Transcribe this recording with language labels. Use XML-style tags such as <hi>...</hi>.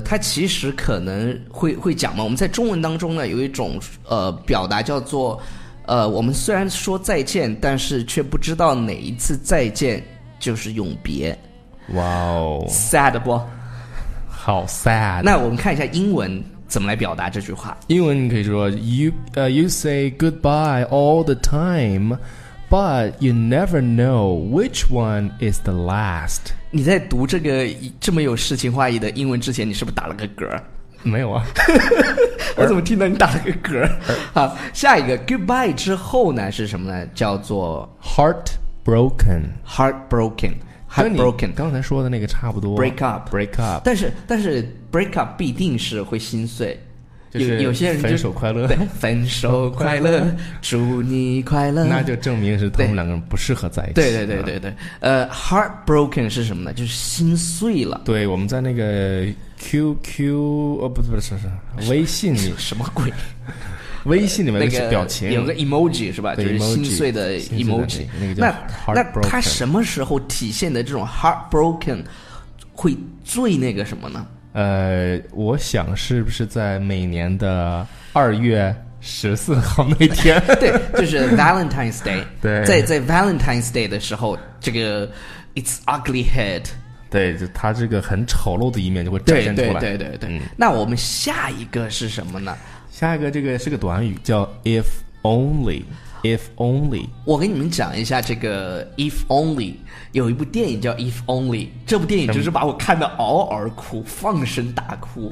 <zh>它其实可能会讲嘛。我们在中文当中呢，有一种表达叫做我们虽然说再见，但是却不知道哪一次再见就是永别。哇哦，sad 不？好 sad。那我们看一下英文怎么来表达这句话。英文你可以说</zh> <en>you say goodbye all the time, but you never know which one is the last。</en> <zh>你在读这个这么有诗情画意的英文之前，你是不是打了个嗝？没有啊。我怎么听到你打了个嗝？好，下一个 goodbye 之后呢是什么呢？叫做 heartbroken， 跟你刚才说的那个差不多。 break up， 但是 break up 必定是会心碎。就是有些人就分手快乐，对，分手快乐，祝你快乐。那就证明是他们两个人不适合在一起。对对对对对，heartbroken 是什么呢？就是心碎了。对，我们在那个 QQ 不是微信里，什么鬼？微信里面那个表情，有个 emoji 是吧？就是心碎的 emoji。那他什么时候体现的这种 heartbroken 会最那个什么呢？我想是不是在每年的2月14日那天？对，就是 Valentine's Day。对，在 Valentine's Day 的时候，这个</zh> <en>It's ugly head。</en> <zh>对，就他这个很丑陋的一面就会展现出来。对对对对。那我们下一个是什么呢？下一个这个是个短语，叫 If only。</zh> <en>If only，</en> <zh>我跟你们讲一下这个 If only， 有一部电影叫 If only， 这部电影就是把我看得嗷嗷哭，放声大哭。</zh>